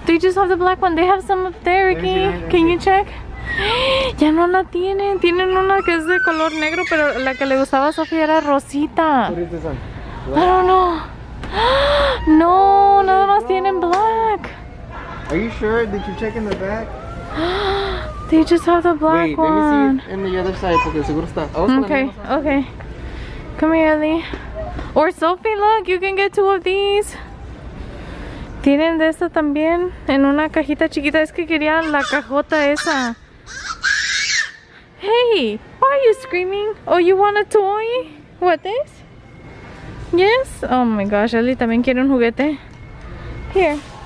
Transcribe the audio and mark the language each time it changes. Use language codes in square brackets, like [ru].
[en] They just have the black one. They have some up there, Ricky. Can you check? [es] Ya no la tienen. Tienen una que es de color negro, pero la que le gustaba a Sofía era rosita. ¿Qué es esta? No, no. No, nada más tienen black. [en] Are you sure? Did you check in the back? They just have the black one. Wait, let me see in the other side, [es] porque seguro está. [en] Okay, okay. Come here, Ellie. Or Sophie, look, you can get two of these. [es] Tienen de esta también en una cajita chiquita. Es que quería la cajota esa. [en] Hey, why are you screaming? Oh, you want a toy? What, this? Yes? Oh my gosh, [es] Ellie también quiere un juguete. Here.